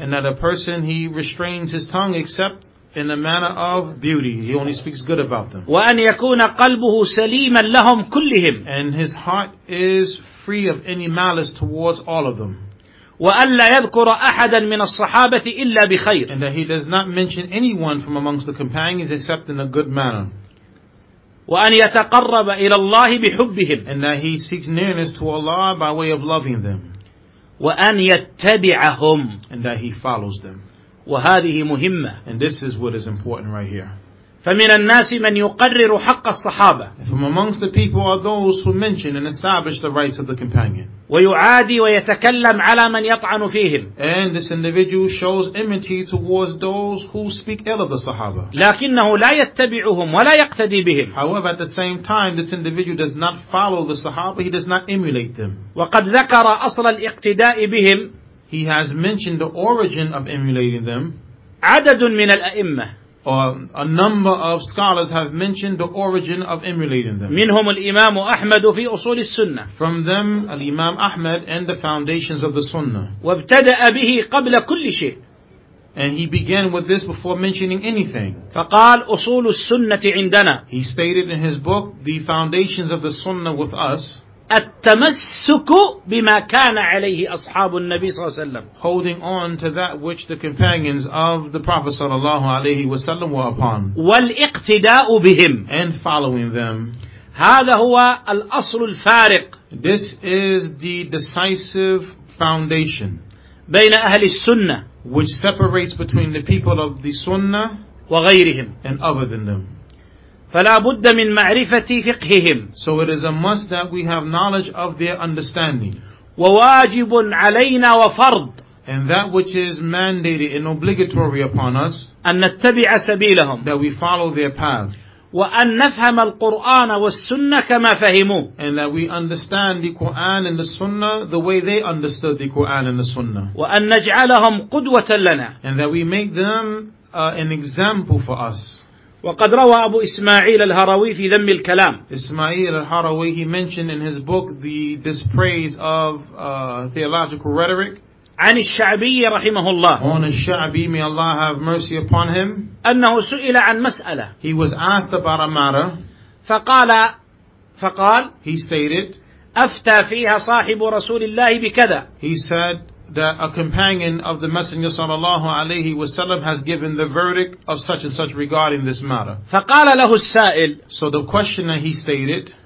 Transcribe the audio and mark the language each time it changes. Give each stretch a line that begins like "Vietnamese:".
English: And that a person he restrains his tongue except in the manner of beauty. He only speaks good about them.
Arabic: وأن يكون قلبه سليما لهم كلهم.
English: And his heart is free of any malice towards all of them.
Arabic: وأن لا يذكر أحدا من الصحابة إلا بخير.
English: And that he does not mention anyone from amongst the companions except in a good manner.
Arabic: وأن يتقرب إلى الله بحبهم.
English: And that he seeks nearness to Allah by way of loving them.
Arabic: وأن يتبعهم.
English: And that he follows them.
Arabic: وهذه مهمة.
English: And this is what is important right here.
Arabic: فمن الناس من يقرر حق الصحابة.
English: From amongst the people are those who mention and establish the rights of the companion.
Arabic: ويعادي ويتكلم على من يطعن فيهم.
English: And this individual shows enmity towards those who speak ill of the Sahaba.
Arabic: لكنه لا يتبعهم ولا يقتدي بهم.
English: However, at the same time, this individual does not follow the Sahaba. He does not emulate them.
Arabic: وقد ذكر أصل الاقتداء بهم.
English: He has mentioned the origin of emulating them.
Arabic: عدد من الأئمة.
English: Or a number of scholars have mentioned the origin of emulating them.
Arabic: منهم الإمام أحمد في أصول السنة.
English: From them, Imam Ahmad and the foundations of the Sunnah.
Arabic: وابتدأ به قبل كل شيء.
English: And he began with this before mentioning anything.
Arabic: فقال أصول السنة عندنا.
English: He stated in his book, "The foundations of the Sunnah with us."
Arabic: التمسك بما كان عليه أصحاب النبي صلى الله عليه وسلم.
English: Holding on to that which the companions of the Prophet
Arabic: صلى الله عليه وسلم
English: were upon.
Arabic: والاقتداء بهم.
English: And following them.
Arabic: هذا هو الأصل الفارق.
English: This is the decisive foundation.
Arabic: بين أهل السنة.
English: Which separates between the people of the Sunnah.
Arabic: وغيرهم.
English: And other than them.
Arabic: فلا بد من معرفة فقههم.
English: So it is a must that we have knowledge of their understanding.
Arabic: وواجب علينا وفرض.
English: And that which is mandated and obligatory upon us.
Arabic: أن نتبع سبيلهم.
English: That we follow their path.
Arabic: وأن نفهم القرآن والسنة كما فهموه.
English: And that we understand the Quran and the Sunnah the way they understood the Quran and the Sunnah.
Arabic: وأن نجعلهم قدوة لنا.
English: And that we make them an example for us.
Arabic: وقد روى أبو إسماعيل الهروي في ذم الكلام.
English: إسماعيل الهروي he mentioned in his book the dispraise of theological rhetoric.
Arabic: عن الشعبي رحمه الله.
English: On الشعبي may Allah have mercy upon him.
Arabic: أنه سئل عن مسألة.
English: He was asked about a matter.
Arabic: فقال.
English: He stated.
Arabic: أفتى فيها صاحب رسول الله بكذا.
English: He said. That a companion of the Messenger
Arabic: sallallahu alayhi wa sallam
English: has given the verdict of such and such regarding this matter.
Arabic: فقال له السائل,
English: so the questioner he stated,